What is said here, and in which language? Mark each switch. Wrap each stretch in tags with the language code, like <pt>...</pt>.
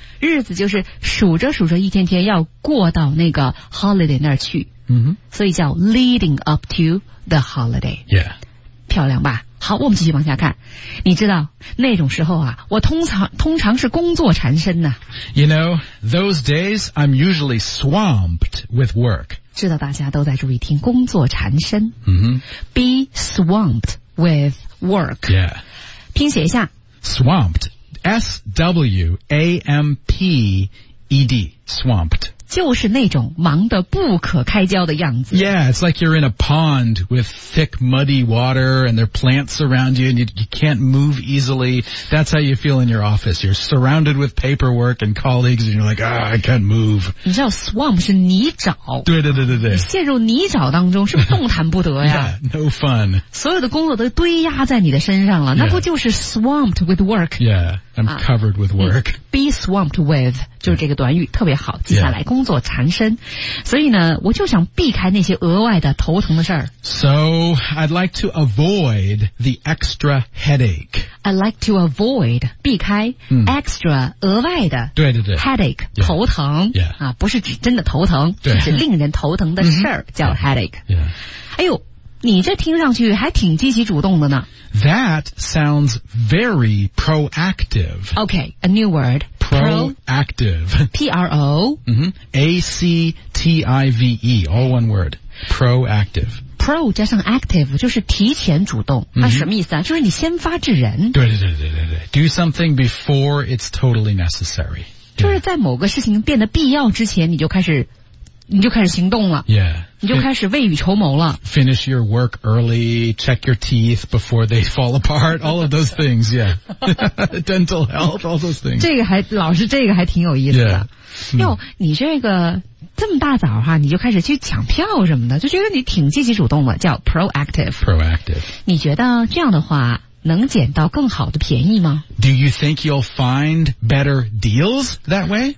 <zh>日子就是数着数着一天天要过到那个 holiday 那儿去。嗯哼。所以叫</zh> <en>leading up to the holiday。 Yeah.</en> <zh>漂亮吧。好，我们继续往下看。你知道那种时候啊，我通常是工作缠身呢、啊。</zh> <en>You know, those days I'm usually swamped with work.</en> <zh>知道大家都在注意听工作缠身。嗯哼。</zh> <en>Be swamped with work. Yeah.</en> <zh>拼写一下。</zh> <en>Swamped. S-W-A-M-P-E-D, swamped.</en> <zh>就是那种忙得不可开交的样子。</zh> <en>Yeah, it's like you're in a pond with thick, muddy water, and there are plants around you, and you can't move easily. That's how you feel in your office. You're surrounded with paperwork and colleagues, and you're like, ah, I can't move.</en> <zh>你知道 swamp 是泥沼。对对对对对。陷入泥沼当中是不是动弹不得呀</zh> <en>？Yeah, no fun.</en> <zh>所有的工作都堆压在你的身上了，那不就是</zh> <en>swamped with work? Yeah. I'm covered with work.、 Be swamped with</en> <zh>就是这个短语、yeah. 特别好记下来、yeah. 工作缠身所以呢我就想避开那些额外的头疼的事儿。</zh> <en>So I'd like to avoid the extra headache. I'd like to avoid 避开、mm. extra 额外的</en> <zh>对对对</zh> <en>headache、yeah. 头疼、 yeah.</en> <zh>啊、不是指真的头疼对是令人头疼的事儿、mm-hmm. 叫 headache、</zh> <en>yeah.</en> <zh>哎呦你这听上去还挺积极主动的呢。</zh> <en>That sounds very proactive. Okay, a new word. Proactive. P-R-O. A-C-T-I-V-E, all one word. Proactive.</en> <zh>Pro 加上 active 就是提前主动。那、mm-hmm. 什么意思啊？就是你先发制人。</zh> <en>对对对对对对。Do something before it's totally necessary.</en> <zh>就是在某个事情变得必要之前你就开始行动了。</zh> <en>Yeah.</en> <zh>你就开始未雨绸缪了。</zh> <en>Finish your work early, check your teeth before they fall apart, all of those things, yeah. Dental health, all those things.</en> <zh>这个还，老师这个还挺有意思的。哟、 mm. ，你这个这么大早哈、啊，你就开始去抢票什么的，就觉得你挺积极主动的，叫 proactive。</zh> <en>Proactive。</en> <zh>你觉得这样的话能捡到更好的便宜吗</zh> <en>？Do you think you'll find better deals that way?</en>